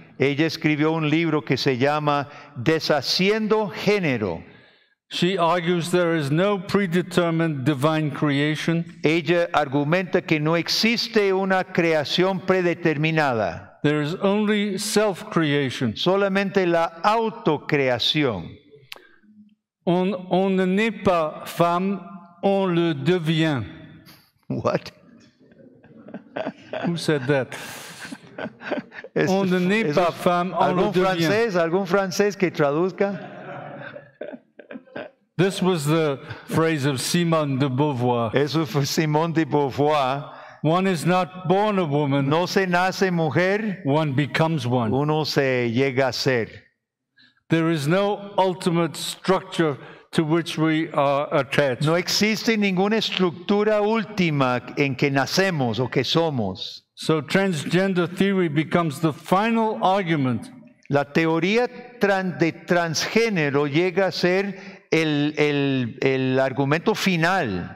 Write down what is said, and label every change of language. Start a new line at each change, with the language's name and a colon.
Spanish: Ella escribió un libro que se llama Deshaciendo Género.
English: She argues there is no predetermined divine creation.
Spanish: Ella argumenta que no existe una creación predeterminada.
English: There is only self-creation.
Spanish: Solamente la autocreación.
French: On n'est pas femme, on le devient.
English: What? Who said that?
French: On ne n'est pas femme, on le devient.
Spanish: Algún francés que traduzca.
English: This was the phrase of Simone de Beauvoir.
Spanish: Eso fue Simone de Beauvoir.
English: One is not born a woman.
Spanish: No se nace mujer.
English: One becomes one.
Spanish: Uno se llega a ser.
English: There is no ultimate structure to which we are attached.
Spanish: No existe ninguna estructura última en que nacemos o que somos.
English: So transgender theory becomes the final argument.
Spanish: La teoría de transgénero llega a ser el argumento final